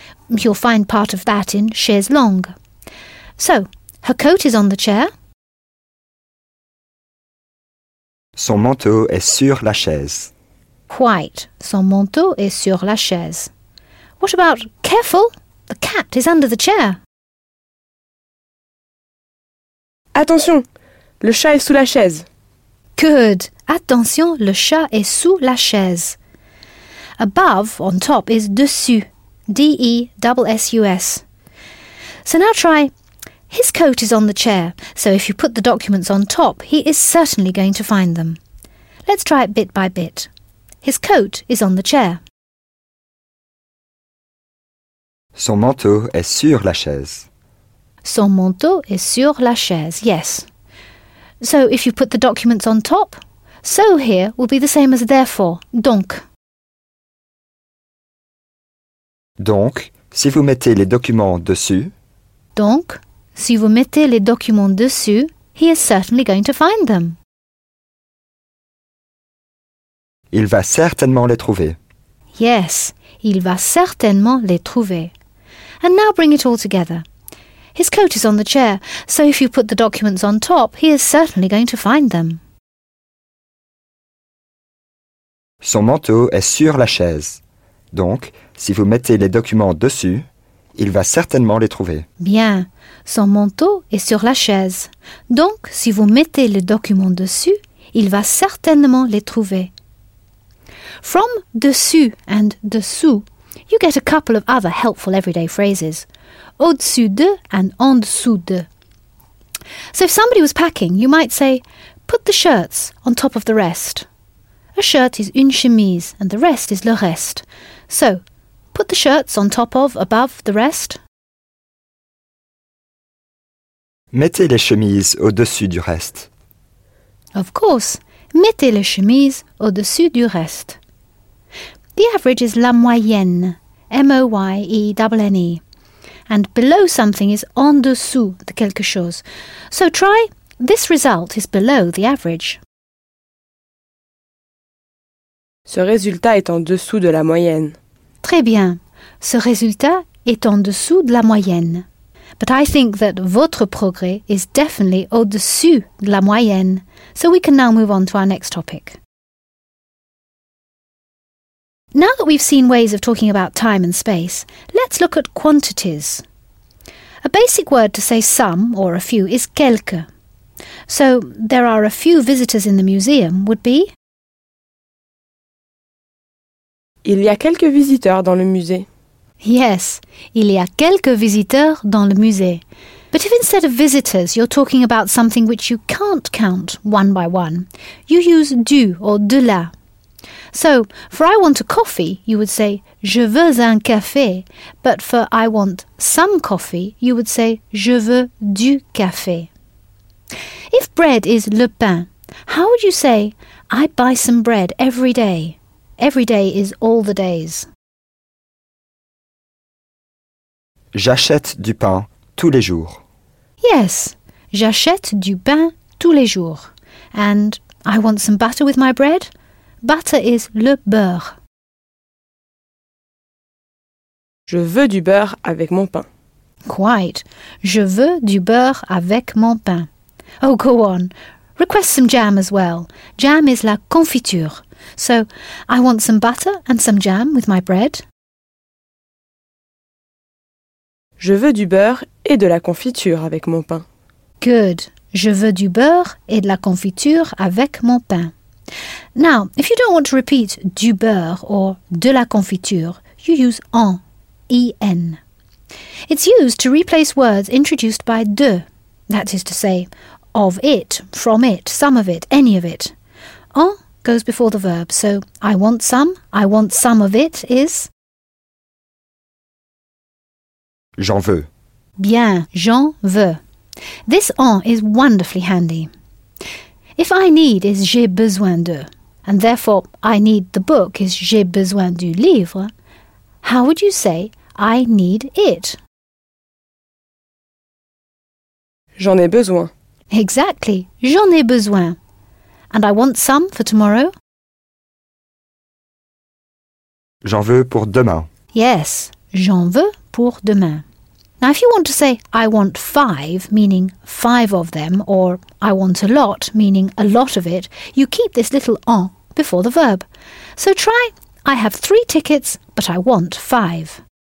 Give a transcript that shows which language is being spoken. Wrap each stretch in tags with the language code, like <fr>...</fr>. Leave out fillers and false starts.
<en>You'll find part of that in chaise longue. So, her coat is on the chair.</en> <fr>Son manteau est sur la chaise.</fr> <en>White. Son manteau est sur la chaise. What about careful? The cat is under the chair.</en> <fr>Attention! Le chat est sous la chaise.</fr> <en>Good.</en> <fr>Attention, le chat est sous la chaise.</fr> <en>Above, on top, is dessus. D-E-S-S-U-S. So now try, his coat is on the chair, so if you put the documents on top, he is certainly going to find them. Let's try it bit by bit. His coat is on the chair.</en> <fr>Son manteau est sur la chaise. Son manteau est sur la chaise, yes. So if you put the documents on top, so here will be the same as therefore, donc. Donc, si vous mettez les documents dessus. Donc, si vous mettez les documents dessus,</fr> <en>he is certainly going to find them.</en> <fr>Il va certainement les trouver. Yes, il va certainement les trouver.</fr> <en>And now bring it all together. His coat is on the chair, so if you put the documents on top, he is certainly going to find them.</en> <fr>Son manteau est sur la chaise. Donc, si vous mettez les documents dessus, il va certainement les trouver. Bien. Son manteau est sur la chaise. Donc, si vous mettez les documents dessus, il va certainement les trouver.</fr> <en>From dessus and dessous, you get a couple of other helpful everyday phrases.</en> <fr>Au-dessus de and en dessous de.</fr> <en>So if somebody was packing, you might say, put the shirts on top of the rest. A shirt is une chemise and the rest is le reste. So, put the shirts on top of, above, the rest.</en> <fr>Mettez les chemises au-dessus du reste. Of course, mettez les chemises au-dessus du reste.</fr> <en>The average is la moyenne, M-O-Y-E-N-N-E. And below something is</en> <fr>en dessous de quelque chose.</fr> <en>So try, this result is below the average.</en> <fr>Ce résultat est en dessous de la moyenne. Très bien. Ce résultat est en dessous de la moyenne.</fr> <en>But I think that</en> <fr>votre progrès</fr> <en>is definitely</en> <fr>au-dessus de la moyenne.</fr> <en>So we can now move on to our next topic. Now that we've seen ways of talking about time and space, let's look at quantities. A basic word to say some or a few is quelque. So there are a few visitors in the museum would be</en> <fr>il y a quelques visiteurs dans le musée. Yes, il y a quelques visiteurs dans le musée.</fr> <en>But if instead of visitors you're talking about something which you can't count one by one, you use du or de la. So, for I want a coffee, you would say</en> <fr>je veux un café.</fr> <en>But for I want some coffee, you would say</en> <fr>je veux du café.</fr> <en>If bread is le pain, how would you say I buy some bread every day? Every day is all the days.</en> <fr>J'achète du pain tous les jours. Yes, j'achète du pain tous les jours.</fr> <en>And I want some butter with my bread. Butter is le beurre.</en> <fr>Je veux du beurre avec mon pain.</fr> <en>Quite.</en> <fr>Je veux du beurre avec mon pain.</fr> <en>Oh, go on. Request some jam as well. Jam is la confiture. So, I want some butter and some jam with my bread.</en> <fr>Je veux du beurre et de la confiture avec mon pain.</fr> <en>Good.</en> <fr>Je veux du beurre et de la confiture avec mon pain.</fr> <en>Now, if you don't want to repeat</en> <fr>du beurre</fr> <en>or</en> <fr>de la confiture,</fr> <en>you use en, en. It's used to replace words introduced by de, that is to say, of it, from it, some of it, any of it. En goes before the verb, so I want some of it is...</en> <fr>J'en veux. Bien, j'en veux.</fr> <en>This en is wonderfully handy. If I need is</en> <fr>j'ai besoin de,</fr> <en>and therefore I need the book is</en> <fr>j'ai besoin du livre,</fr> <en>how would you say I need it?</en> <fr>J'en ai besoin. Exactly, j'en ai besoin.</fr> <en>And I want some for tomorrow.</en> <fr>J'en veux pour demain. Yes, j'en veux pour demain.</fr> <en>Now, if you want to say, I want five, meaning five of them, or I want a lot, meaning a lot of it, you keep this little en before the verb. So try, I have three tickets, but I want five.</en>